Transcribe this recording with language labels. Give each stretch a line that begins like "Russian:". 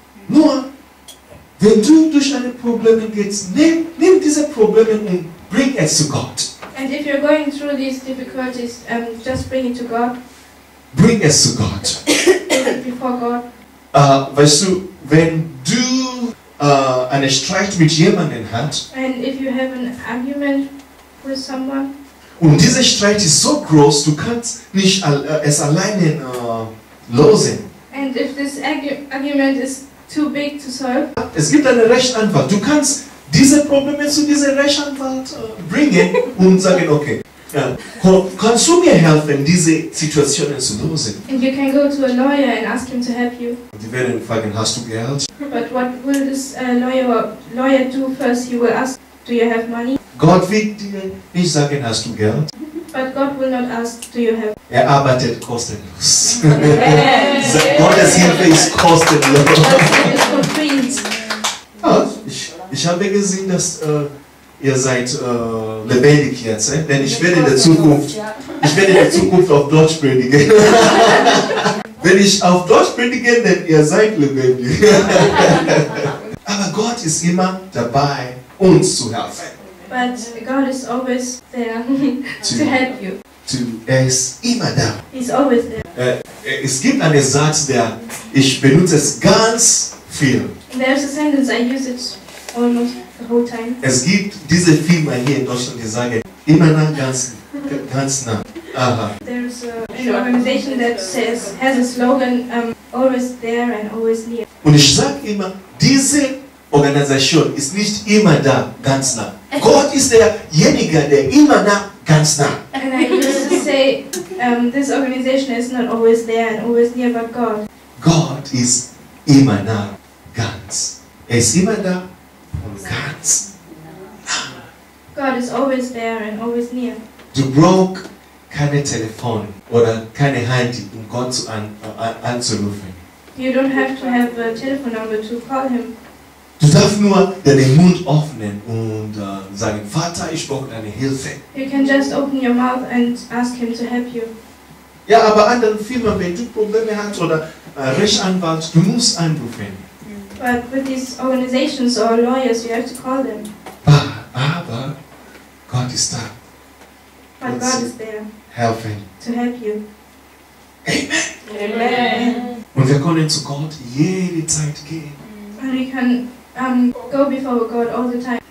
German: Nur, wenn du durch deine Probleme gehst, nimm diese Probleme und bring es zu Gott.
English: And if you're going through these difficulties, just bring it to God.
German: Bring es zu Gott.
English: Before God.
German: Weißt du, wenn du einen Streit mit jemandem hast,
English: and if you have an argument with someone,
German: und dieser Streit ist so groß, du kannst nicht es alleine lösen.
English: And if this argument is too big to solve,
German: es gibt einen Rechtsanwalt. Du kannst diese Probleme zu diesem Rechtsanwalt bringen und sagen, okay, Kannst du mir helfen, diese Situationen zu lösen?
English: And you can go to a lawyer and ask him to help you.
German: Die werden fragen, hast du Geld?
English: But what will this lawyer do first? He will ask, do you have money?
German: Gott wird dir nicht sagen, hast du Geld?
English: But God will not ask, do you have?
German: Er arbeitet kostenlos. Gottes Hilfe ist kostenlos. Ich habe gesehen, dass ihr seid lebendig jetzt, denn ich werde in der Zukunft, ich werde in der Zukunft auf Deutsch predigen. Wenn ich auf Deutsch predige, dann ihr seid lebendig. Aber Gott ist immer dabei, uns zu helfen.
English: But God is always there to help you.
German: Er ist immer da.
English: He's always there.
German: Es gibt einen Satz, der ich benutze es ganz viel.
English: There's a sentence I use it almost the whole time.
German: Es gibt diese Firma hier in Deutschland, die sagen immer nah, ganz, ganz nah. Aha.
English: There's an organization that says has a slogan always there and always near.
German: Und ich sage immer, diese Organisation ist nicht immer da, ganz nah. Gott ist derjenige, der immer nah, ganz nah.
English: And I used to say, this organization is not always there and always near, but God. God is
German: immer nah, ganz. Er ist immer da und ganz nah.
English: God is always there and always near.
German: Du brauchst keine Telefon oder keine Handy, um Gott zu anzurufen.
English: You don't have to have a telephone number to call him.
German: Du darfst nur deinen Mund öffnen und sagen, Vater, ich brauche deine Hilfe.
English: You can just open your mouth and ask him to help you.
German: Ja, aber andere Firmen, wenn du Probleme hast oder Rechtsanwalt, du musst anrufen.
English: But with these organizations or lawyers, you have to call them.
German: Aber Gott ist da.
English: But God is there.
German: Helfen.
English: To help you. Amen. Amen. Amen.
German: Und wir können zu Gott jede Zeit gehen.
English: And we can go before God all the time.